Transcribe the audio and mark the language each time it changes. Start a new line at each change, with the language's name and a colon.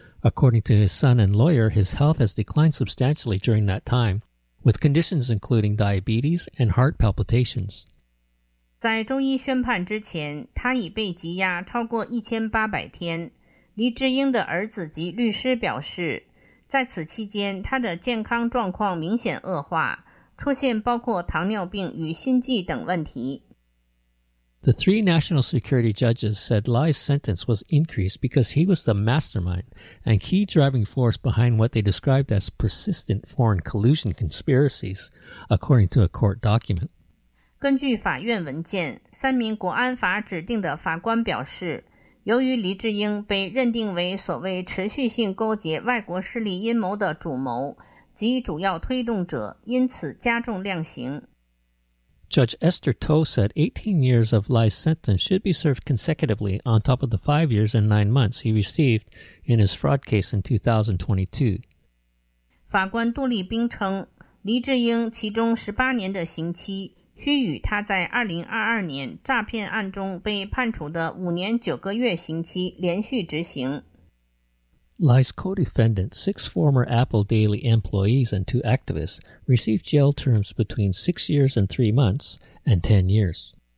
English: According to his son and lawyer, his health has declined substantially during that time, with conditions including diabetes and heart palpitations.
Chinese: 在周一宣判之前，他已被羁押超过1800天。黎智英的儿子及律师表示，在此期间，他的健康状况明显恶化，出现包括糖尿病与心悸等问题。
English: The three national security judges said Lai's sentence was increased because he was the mastermind and key driving force behind what they described as persistent foreign collusion conspiracies, according to a court document.
Chinese: 根据法院文件，三名国安法指定的法官表示，由于黎智英被认定为所谓持续性勾结外国势力阴谋的主谋及主要推动者，因此加重量刑。
English: Judge Esther Toh said 18 years of Lai's sentence should be served consecutively on top of the 5 years and 9 months he received in his fraud case in 2022.
Chinese: 法官杜立冰称，黎智英其中18年的刑期需与他在2022年诈骗案中被判处的5年9个月刑期连续执行。
English: Lai's co-defendants, 6 former Apple Daily employees and 2 activists, received jail terms between 6 years and 3 months and 10 years.